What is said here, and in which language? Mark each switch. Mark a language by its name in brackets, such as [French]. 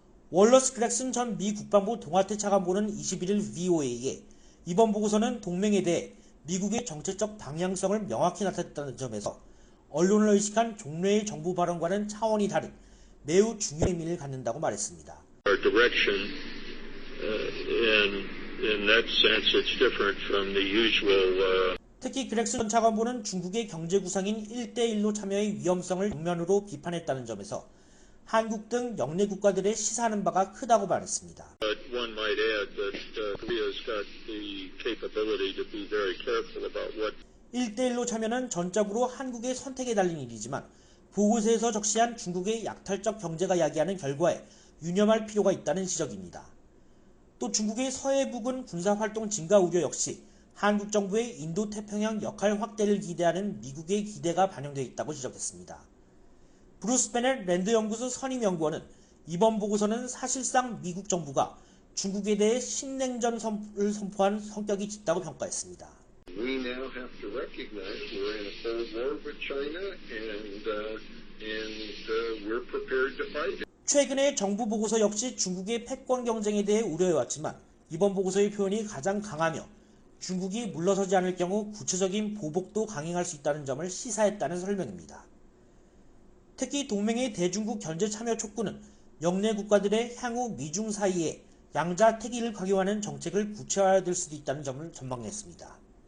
[Korean] 월러스 그렉슨 전 미 국방부 동아태 차관보는 21일 VOA에 이번 보고서는 동맹에 대해 미국의 정책적 방향성을 명확히 나타냈다는 점에서 언론을 의식한 종래의 정부 발언과는 차원이 다른 매우 중요한 의미를 갖는다고 말했습니다. [English] Our direction in that sense it's different from the usual [Korean] 특히 그렉슨 전 차관보는 중국의 경제 구상인 일대일로 참여의 위험성을 정면으로 비판했다는 점에서 한국 등 영내 국가들의 시사하는 바가 크다고 말했습니다. 일대일로 참여는 전적으로 한국의 선택에 달린 일이지만 보고서에서 적시한 중국의 약탈적 경제가 야기하는 결과에 유념할 필요가 있다는 지적입니다. 또 중국의 서해 부근 군사활동 증가 우려 역시 한국 정부의 인도태평양 역할 확대를 기대하는 미국의 기대가 반영되어 있다고 지적했습니다. 브루스 베넷 랜드연구소 선임연구원은 이번 보고서는 사실상 미국 정부가 중국에 대해 신냉전 선을 선포한 성격이 짙다고 평가했습니다. [English] We now have to recognize we're in a cold war with China and we're prepared to fight it. [Korean] 최근의 정부 보고서 역시 중국의 패권 경쟁에 대해 우려해왔지만 이번 보고서의 표현이 가장 강하며 중국이 물러서지 않을 경우 구체적인 보복도 강행할 수 있다는 점을 시사했다는 설명입니다. 특히 동맹의 대중국 견제 참여 촉구는 역내 국가들의 향후 미중 사이에 양자 택일을 강요하는 정책을 구체화될 수도 있다는 점을 전망했습니다.